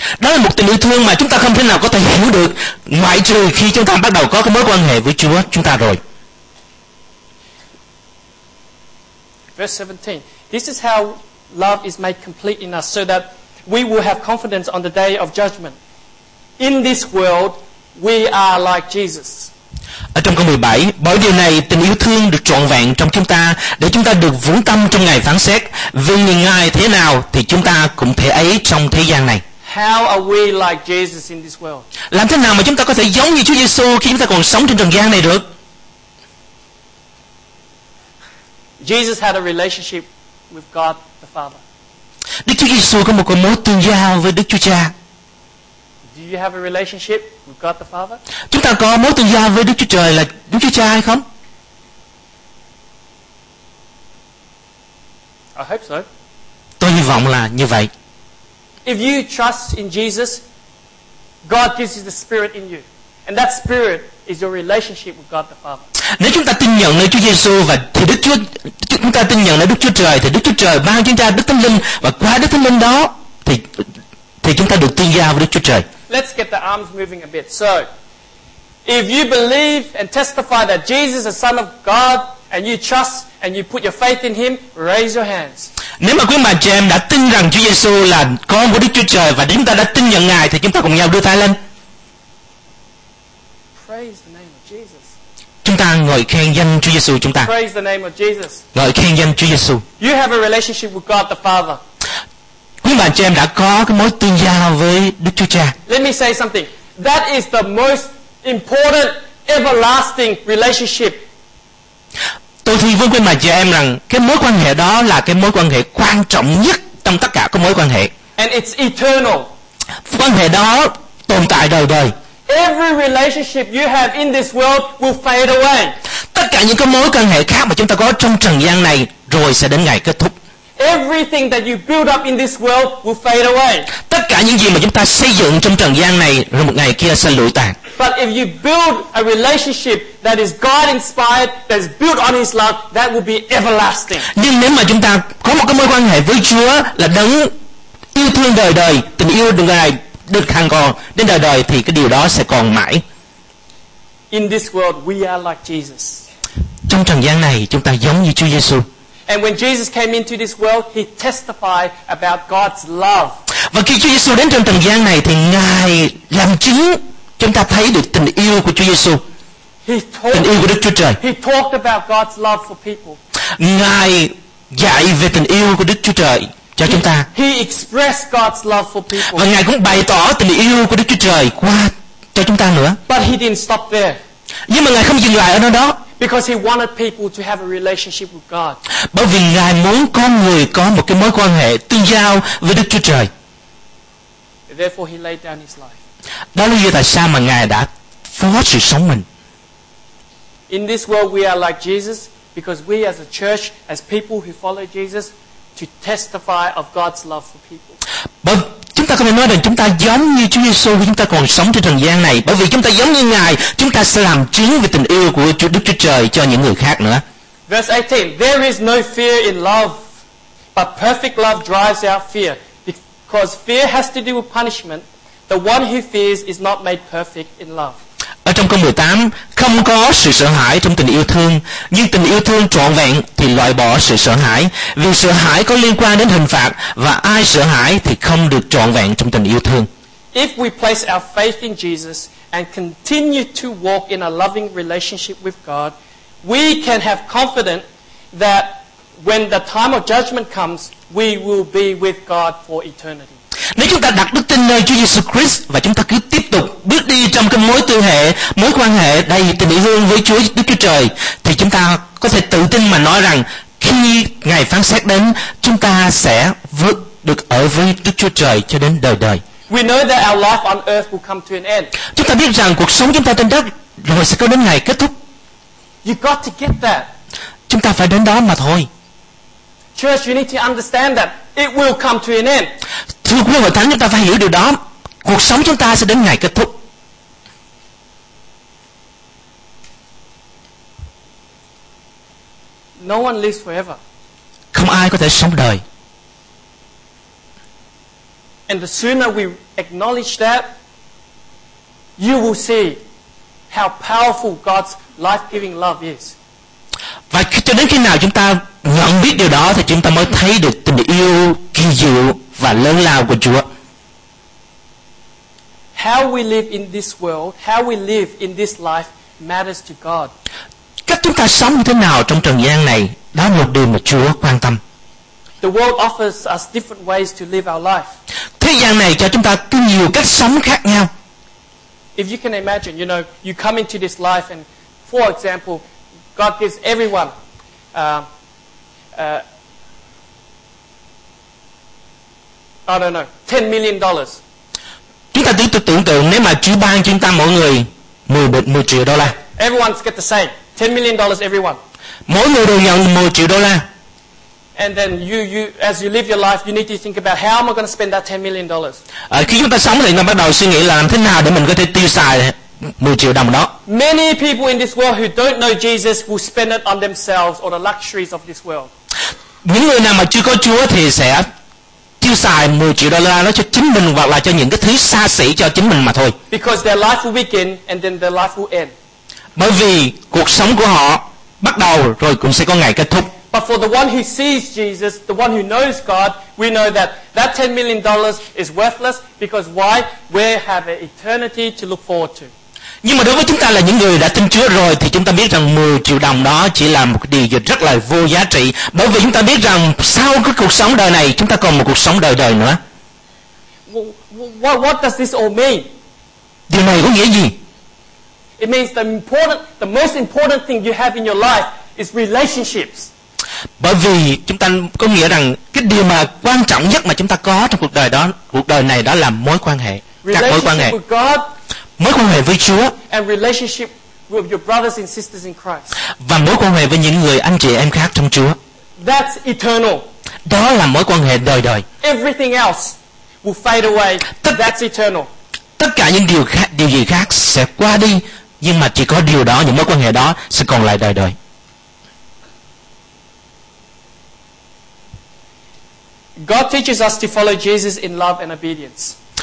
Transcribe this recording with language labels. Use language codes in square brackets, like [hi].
[vi] Đó là một tình yêu thương mà chúng ta không thể nào có thể hiểu được ngoại trừ khi chúng ta bắt đầu có cái mối quan hệ với Chúa chúng ta rồi. [en] Verse 17. This is how love is made complete in us so that we will have confidence on the day of judgment. In this world, we are like Jesus. [vi] Ở trong câu 17, bởi điều này tình yêu thương được trọn vẹn trong chúng ta để chúng ta được vững tâm trong ngày phán xét. Vì nhìn ngài thế nào thì chúng ta cũng thế ấy trong thế gian này. [en] How are we like Jesus in this world? [vi] Làm thế nào mà chúng ta có thể giống như Chúa Giêsu khi chúng ta còn sống trên trần gian này được? [en] Jesus had a relationship with God the Father. [vi] Đức Chúa Giêsu có một mối tương giao với Đức Chúa Cha. [en] Do you have a relationship with God the Father? [vi] Chúng ta có mối tương giao với Đức Chúa Trời là Đức Chúa Cha hay không? [en] I hope so. [vi] Tôi hy vọng là như vậy. [en] If you trust in Jesus, God gives you the Spirit in you. And that Spirit is your relationship with God the Father. [vi] Nếu chúng ta tin nhận nơi Chúa Giêsu và thì Đức Chúa, chúng ta tin nhận nơi Đức Chúa Trời thì Đức Chúa Trời ban chúng ta Đức Thánh Linh và qua Đức Thánh Linh đó thì chúng ta được tương giao với Đức Chúa Trời. [en] Let's get the arms moving a bit. So, if you believe and testify that Jesus is the Son of God and you trust and you put your faith in Him, raise your hands. [vi] Nếu mà quý bà chị em đã tin rằng Chúa Giêsu là con của Đức Chúa Trời và chúng ta đã tin nhận Ngài thì chúng ta cùng nhau đưa tay lên. [en] Praise the name of Jesus. [vi] Chúng ta ngợi khen danh Chúa Giêsu chúng ta. [en] Praise the name of Jesus. [vi] Ngợi khen danh Chúa Giêsu. [en] You have a relationship with God the Father. [vi] Quý bạn chị em đã có cái mối tương giao với Đức Chúa Cha. [en] Let me say something. That is the most important everlasting relationship. [vi] Tôi thì vâng quý bạn chị em rằng cái mối quan hệ đó là cái mối quan hệ quan trọng nhất trong tất cả các mối quan hệ. [en] And it's eternal. [vi] Quan hệ đó tồn tại đời đời. [en] Every relationship you have in this world will fade away. [vi] Tất cả những cái mối quan hệ khác mà chúng ta có trong trần gian này rồi sẽ đến ngày kết thúc. [en] Everything that you build up in this world will fade away. [vi] Tất cả những gì mà chúng ta xây dựng trong trần gian này rồi một ngày kia sẽ lụi tàn. [en] But if you build a relationship that is God inspired, that is built on His love, that will be everlasting. [vi] Nhưng nếu mà chúng ta có một cái mối quan hệ với Chúa là đấng yêu thương đời đời, tình yêu đời đời được hàng còn đến đời đời thì cái điều đó sẽ còn mãi. [en] In this world, we are like Jesus. [vi] Trong trần gian này chúng ta giống như Chúa Giêsu. [en] And when Jesus came into this world, He testified about God's love. [vi] Và khi Chúa Giêsu đến trong trần gian này thì Ngài làm chứng chúng ta thấy được tình yêu của Chúa Giêsu. Tình yêu của Đức Chúa Trời. [en] He talked about God's love for people. [vi] Ngài dạy về tình yêu của Đức Chúa Trời cho chúng ta. [en] He expressed God's love for people. [vi] Và Ngài cũng bày tỏ tình yêu của Đức Chúa Trời qua cho chúng ta nữa. [en] But He didn't stop there. [vi] Nhưng mà Ngài không dừng lại ở nơi đó. [en] Because He wanted people to have a relationship with God. [vi] Bởi vì Ngài muốn con người có một cái mối quan hệ tương giao với Đức Chúa Trời. [en] Therefore He laid down His life. [vi] Đó là lý do tại sao mà Ngài đã phó sự sống mình. [en] In this world we are like Jesus because we as a church, as people who follow Jesus, to testify of God's love for people. [vi] Bởi chúng ta có thể nói rằng chúng ta giống như Chúa Giêsu khi chúng ta còn sống trên trần gian này, bởi vì chúng ta giống như Ngài, chúng ta sẽ làm chứng về tình yêu của Chúa Đức Chúa Trời cho những người khác nữa. [en] Verse 18, there is no fear in love, but perfect love drives out fear, because fear has to do with punishment. The one who fears is not made perfect in love. [vi] Ở trong câu 18, không có sự sợ hãi trong tình yêu thương, nhưng tình yêu thương trọn vẹn thì loại bỏ sự sợ hãi, vì sợ hãi có liên quan đến hình phạt, và ai sợ hãi thì không được trọn vẹn trong tình yêu thương. [en] If we place our faith in Jesus and continue to walk in a loving relationship with God, we can have confidence that when the time of judgment comes, we will be with God for eternity. [vi] Nếu chúng ta đặt đức tin nơi Chúa Jesus Christ và chúng ta cứ tiếp tục bước đi trong cái mối tương hệ, mối quan hệ đầy tình yêu thương với Chúa Đức Chúa Trời, thì chúng ta có thể tự tin mà nói rằng khi ngày phán xét đến, chúng ta sẽ vượt được ở với Đức Chúa Trời cho đến đời đời. [en] We know that our life on earth will come to an end. [vi] Chúng ta biết rằng cuộc sống chúng ta trên đất rồi sẽ có đến ngày kết thúc. [en] You got to get that. [vi] Chúng ta phải đến đó mà thôi. [en] Church, you need to understand that it will come to an end. [vi] Thưa quý vị thánh, chúng ta phải hiểu điều đó. Cuộc sống chúng ta sẽ đến ngày kết thúc. [en] No one lives forever. [vi] Không ai có thể sống đời. [en] And the sooner we acknowledge that, you will see how powerful God's life-giving love is. [vi] Và cho đến khi nào chúng ta nhận biết điều đó thì chúng ta mới thấy được tình yêu kỳ diệu và lớn lao của Chúa. [en] How we live in this world, how we live in this life matters to God. [vi] Cách chúng ta sống như thế nào trong trần gian này, đó là một điều mà Chúa quan tâm. [en] The world offers us different ways to live our life. [vi] Thế gian này cho chúng ta có nhiều cách sống khác nhau. [en] If you can imagine, you know, you come into this life and for example, God gives everyone I don't know, $10 million. [vi] Chúng ta tự tưởng tượng nếu mà Chúa ban chúng ta mỗi người 10 triệu đô la. [en] Everyone's get the same. $10 million everyone. [vi] Mỗi người đều nhận 10 triệu đô la. [en] And then you as you live your life, you need to think about how am I going to spend that $10 million. [vi] Khi chúng ta sống thì chúng ta bắt đầu suy nghĩ là làm thế nào để mình có thể tiêu xài 10 triệu đồng đó. [en] Many people in this world who don't know Jesus will spend it on themselves or the luxuries of this world. [vi] Những người nào mà chưa có Chúa thì sẽ tiêu xài 10 triệu đô la nó cho chính mình hoặc là cho những cái thứ xa xỉ cho chính mình mà thôi. [en] Because their life will begin and then their life will end. [vi] Bởi vì cuộc sống của họ bắt đầu rồi cũng sẽ có ngày kết thúc. [en] But for the one who sees Jesus, the one who knows God, we know that that $10 million is worthless because why? We have an eternity to look forward to. [vi] Nhưng mà đối với chúng ta là những người đã tin Chúa rồi thì chúng ta biết rằng 10 triệu đồng đó chỉ là một điều rất là vô giá trị, bởi vì chúng ta biết rằng sau cái cuộc sống đời này chúng ta còn một cuộc sống đời đời nữa. [en] What does this all mean? [vi] Điều này có nghĩa gì? [en] It means the most important thing you have in your life is relationships. [vi] Bởi vì chúng ta có nghĩa rằng cái điều mà quan trọng nhất mà chúng ta có trong cuộc đời đó, cuộc đời này đó là mối quan hệ, các mối quan hệ. Mối quan hệ với Chúa [en] and relationship with your brothers and sisters in Christ. [vi] Và mối quan hệ với những người anh chị em khác trong Chúa. [en] That's eternal. [vi] Đó là mối quan hệ đời đời. [en] Everything else will fade away. That's eternal. [vi] Tất cả những điều khác, điều gì khác sẽ qua đi, nhưng mà chỉ có điều đó, những mối quan hệ đó sẽ còn lại đời đời. [en] God teaches us to follow Jesus in love and obedience.